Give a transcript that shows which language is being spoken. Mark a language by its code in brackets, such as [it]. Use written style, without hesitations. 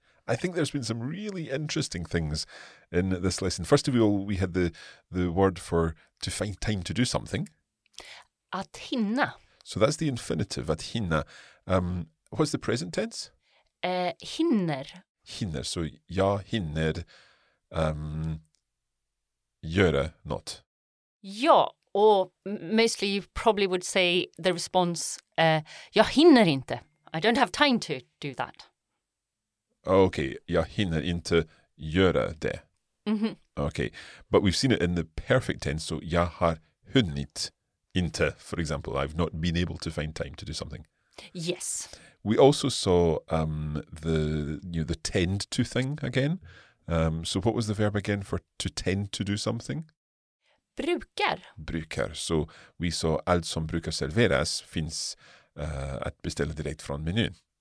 [en] I think there's been some really interesting things in this lesson. First of all, we had the word for to find time to do something. [sv] Att hinna. [en] So that's the infinitive, [sv] att hinna. [en] What's the present tense? [sv] Hinner. Hinner. So jag hinner göra något. Ja, och [en] mostly you probably would say the response, [sv] jag hinner inte. [en] I don't have time to do that. [sv] Okay, jag hinner inte göra det. Mm-hmm. [en] Okay, but we've seen it in the perfect tense, so [sv] jag har hunnit inte, [en] for example. I've not been able to find time to do something. Yes. We also saw the tend to thing again. So what was the verb again for to tend to do something? [sv] Brukar. Brukar. [en] So we saw [sv] allt som brukar serveras finns att beställa direkt från menyn.